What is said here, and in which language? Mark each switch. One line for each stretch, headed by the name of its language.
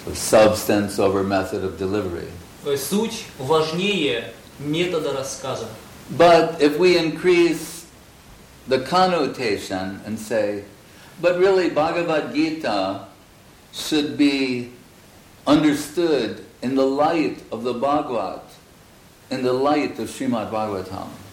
English: Substance over method of delivery.
Russian: Суть важнее метода рассказа.
English: But if we increase the connotation and say, but really Bhagavad-gita should be understood in the light of the Bhagavad, in the light of Srimad Bhagavatam.